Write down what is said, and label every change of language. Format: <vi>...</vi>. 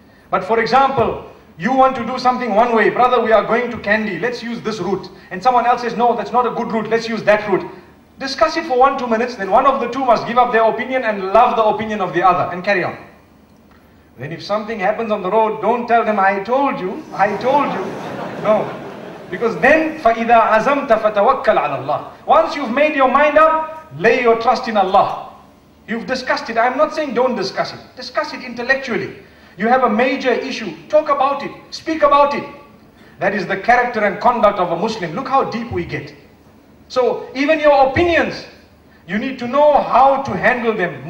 <en>But for example, you want to do something one way. Brother, we are going to candy. Let's use this route. And someone else says, no, that's not a good route. Let's use that route. Discuss it for 1-2 minutes. Then one of the two must give up their opinion and love the opinion of the other and carry on. Then if something happens on the road, don't tell them, I told you. No. Because then,</en> <ar>فَإِذَا عَزَمْتَ فَتَوَكَّلْ عَلَى اللَّهِ.</ar> <en>Once you've made your mind up, lay your trust in Allah. You've discussed it. I'm not saying don't discuss it. Discuss it intellectually. You have a major issue. Talk about it. Speak about it. That is the character and conduct of a Muslim. Look how deep we get. So even your opinions, you need to know how to handle them.</en>